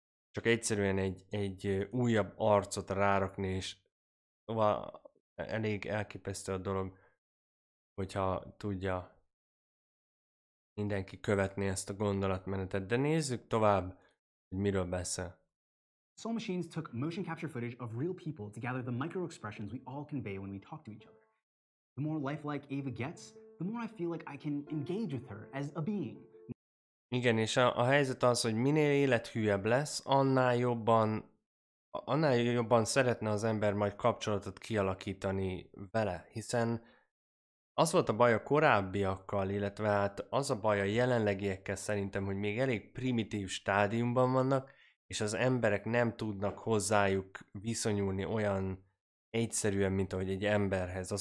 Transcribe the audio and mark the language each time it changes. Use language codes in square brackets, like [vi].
[hu] csak egyszerűen egy újabb arcot rárakni, és szóval elég elképesztő a dolog, hogyha tudja mindenki követni ezt a gondolatmenetet. De nézzük tovább, hogy miről beszél. [en] Soul Machines took motion capture footage of real people to gather the micro expressions we all convey when we talk to each other. The more lifelike Ava gets, the more I feel like I can engage with her as a being. [hu] Igen, és a helyzet az, hogy minél élethűebb lesz, annál jobban szeretne az ember majd kapcsolatot kialakítani vele, hiszen az volt a baj a korábbiakkal, illetve hát az a baj a jelenlegiekkel szerintem, hogy még elég primitív stádiumban vannak, és az emberek nem tudnak hozzájuk viszonyulni olyan egyszerűen, mint ahogy egy emberhez.